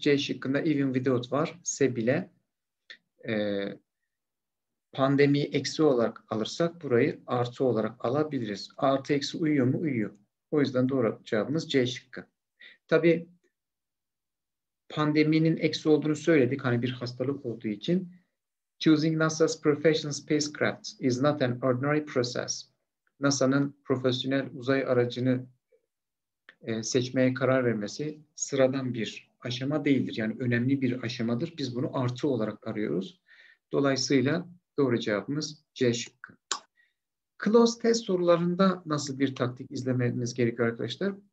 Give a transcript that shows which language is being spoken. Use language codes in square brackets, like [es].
[tr] C şıkkında even without var. Se bile pandemiyi eksi olarak alırsak burayı artı olarak alabiliriz. Artı eksi uyuyor mu? Uyuyor. O yüzden doğru cevabımız C şıkkı. Tabii pandeminin eksi olduğunu söyledik. Hani bir hastalık olduğu için. [en] Choosing NASA's professional spacecraft is not an ordinary process. [tr] NASA'nın profesyonel uzay aracını seçmeye karar vermesi sıradan bir aşama değildir. Yani önemli bir aşamadır. Biz bunu artı olarak arıyoruz. Dolayısıyla doğru cevabımız C şıkkı. Close test sorularında nasıl bir taktik izlememiz gerekiyor arkadaşlar?